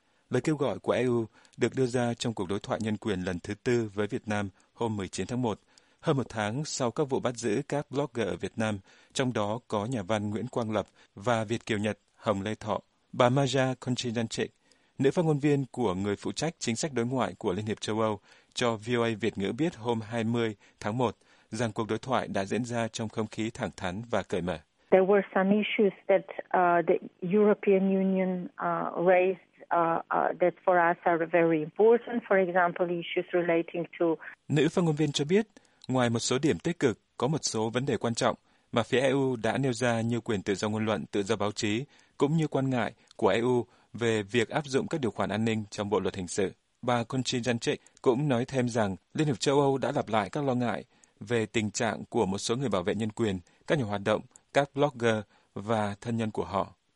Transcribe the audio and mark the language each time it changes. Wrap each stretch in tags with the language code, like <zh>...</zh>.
<vi>Lời kêu gọi của EU được đưa ra trong cuộc đối thoại nhân quyền lần thứ tư với Việt Nam hôm 19 tháng 1, hơn một tháng sau các vụ bắt giữ các blogger ở Việt Nam, trong đó có nhà văn Nguyễn Quang Lập và Việt Kiều Nhật Hồng Lê Thọ Bà Maja Konchinanchek, nữ phát ngôn viên của người phụ trách chính sách đối ngoại của Liên hiệp châu Âu, cho VOA Việt ngữ biết hôm 20 tháng 1 rằng cuộc đối thoại đã diễn ra trong không khí thẳng thắn và cởi mở.</vi> <en>There were some issues that the European Union raised that for us are very important, for example issues relating to.</en> <vi>Nữ phát ngôn viên cho biết, ngoài một số điểm tích cực, có một số vấn đề quan trọng mà phía EU đã nêu ra như quyền tự do ngôn luận, tự do báo chí, cũng như quan ngại của EU về việc áp dụng các điều khoản an ninh trong bộ luật hình sự. Bà Konchinjanchek cũng nói thêm rằng Liên hiệp châu Âu đã lặp lại các lo ngại về tình trạng của một số người bảo vệ nhân quyền, các nhà hoạt động, các blogger và thân nhân của họ.</vi>